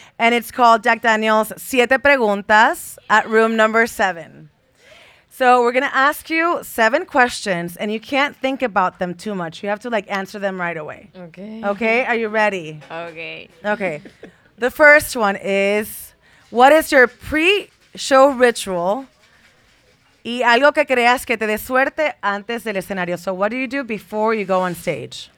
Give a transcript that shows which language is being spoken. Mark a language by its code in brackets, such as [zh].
[en] And it's called Jack Daniels 7 Preguntas at Room number 7. So we're going to ask you 7 questions, and you can't think about them too much. You have to, like, answer them right away. Okay. Okay? Are you ready? Okay. Okay. The first one is, what is your pre-show ritual? [es] Y algo que creas que te dé suerte antes del escenario. [en] So what do you do before you go on stage?